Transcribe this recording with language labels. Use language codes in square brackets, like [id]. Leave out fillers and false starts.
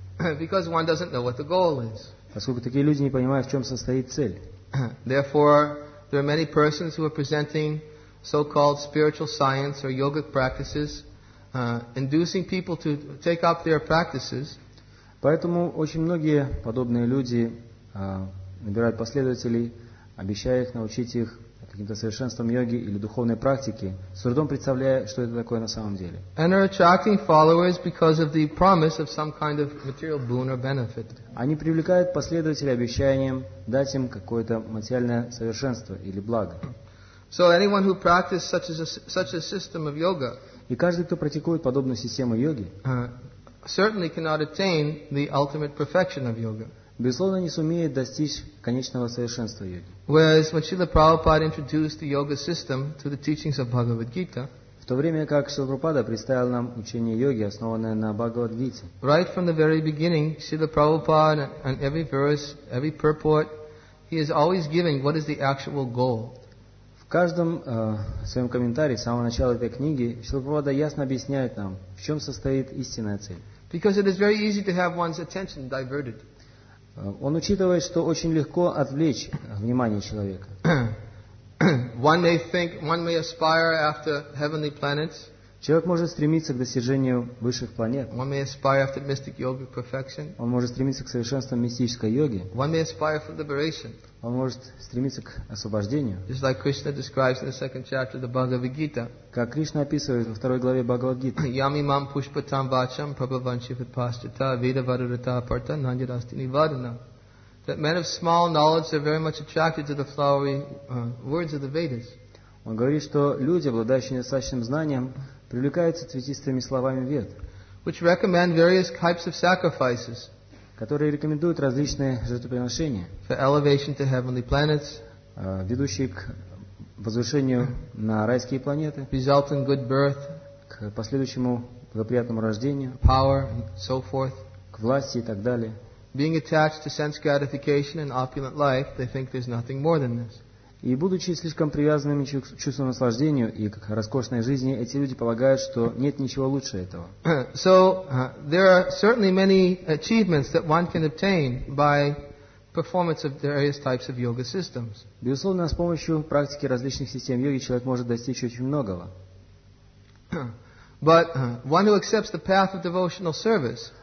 [en] Because one doesn't know what the goal is. [ru] Поскольку такие люди не понимают, в чем состоит цель. [en] Therefore, there are many persons who are presenting so-called spiritual science or yogic practices, inducing people to take up their practices. [ru] Поэтому очень многие подобные люди набирают последователей, обещая их научить их каким-то совершенствам йоги или духовной практики, с трудом представляя, что это такое на самом деле. [en] And are attracting followers because of the promise of some kind of material boon or benefit. [ru] Они привлекают последователей обещанием дать им какое-то материальное совершенство или благо. [en] So anyone who practices such a system of yoga, [ru] и каждый, кто практикует подобную систему йоги, [en] certainly cannot attain the ultimate perfection of yoga. [ru] Безусловно, не сумеет достичь конечного совершенства йоги. [en] Whereas when Srila Prabhupada introduced the yoga system to the teachings of Bhagavad Gita, [ru] в то время как Srila Prabhupada представил нам учение йоги, основанное на Бхагавад Гите, [en] right from the very beginning, Srila Prabhupada, on every verse, every purport, he is always giving what is the actual goal. [ru] В каждом своем комментарии, с самого начала этой книги, Srila Prabhupada ясно объясняет нам, в чем состоит истинная цель. [en] Because it is very easy to have one's attention diverted. [ru] Он учитывает, что очень легко отвлечь внимание человека. [en] One may think, one may aspire after heavenly planets. [ru] Человек может стремиться к достижению высших планет. [en] One may aspire after mystic yogic perfection. [ru] Он может стремиться к совершенству мистической йоги. [en] One may aspire for liberation. [ru] Он может стремиться к освобождению. [en] Just like Krishna describes in the second chapter of the Bhagavad Gita. [ru] Как Кришна описывает во второй главе Бхагавад Гиты. [sa] Yami mam pushpatam vacham prabhavanchivat paschita veda varudata parta nandirasti nivadana. [en] That men of small knowledge are very much attracted to the flowery words of the Vedas. [ru] Он говорит, что люди, обладающие недостаточным знанием, привлекаются цветистыми словами Вед, [en] which recommend various types of sacrifices, [ru] которые рекомендуют различные жертвоприношения, [en] for elevation to heavenly planets, [ru] ведущие к возвышению на райские планеты, [en] result in good birth, [ru] к последующему к благоприятному рождению, [en] power, so forth, [ru] к власти и так далее. [en] Being attached to sense gratification and opulent life, they think there's nothing more than this. [ru] И будучи слишком привязанными к чувству наслаждения и к роскошной жизни, эти люди полагают, что нет ничего лучше этого. [en] So, there are certainly many achievements that one can obtain by performance of various types of yoga systems. [ru] Безусловно, с помощью практики различных систем йоги человек может достичь очень многого. [en] But one who accepts the path of devotional service,